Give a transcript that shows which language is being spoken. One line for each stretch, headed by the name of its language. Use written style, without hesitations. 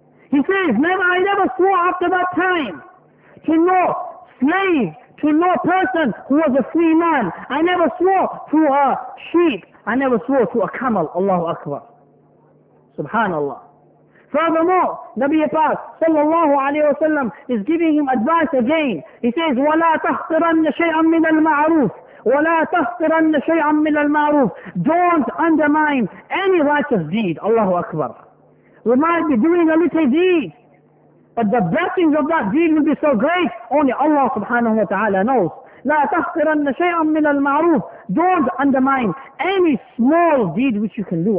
English: He says, I never swore after that time to no slave, to no person who was a free man. I never swore to a sheep. I never swore to a camel. Allahu Akbar. Subhanallah. Furthermore, Nabi Pak sallallahu alayhi wa sallam is giving him advice again.
Arabic: He says, وَلَا تَحْقِرَنَّ شَيْئًا مِنَ الْمَعْرُوفِ وَلَا تَحْقِرَنَّ شَيْئًا مِنَ الْمَعْرُوفِ.
English: Don't undermine any righteous deed. Allahu Akbar. We might be doing a little deed, but the blessings of that deed will be so great, only Allah subhanahu wa ta'ala knows.
Arabic: لا تَحْقِرَنَّ شَيْئًا مِنَ الْمَعْرُوفِ.
English: Don't undermine any small deed which you can do.